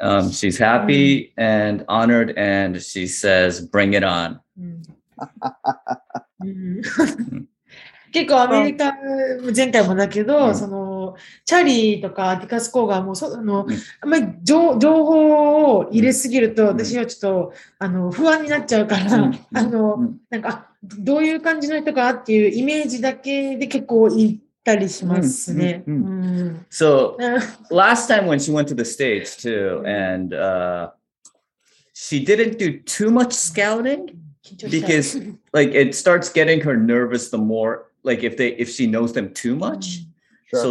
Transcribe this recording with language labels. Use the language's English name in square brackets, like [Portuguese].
[English] She's happy and honored, and she says, "Bring it on." [Japanese] 結構アメリカ前回もだけど、そのチャーリーとかディカスコーガーもそのあんまり 情報を入れすぎると私はちょっと、うん、あの不安になっちゃうから、うん、あのなんかどういう感じの人かっていうイメージだけで結構いい。 [English] So last time when she went to the States too, and she didn't do too much scouting because like it starts getting her nervous the more like if she knows them too much. Sure.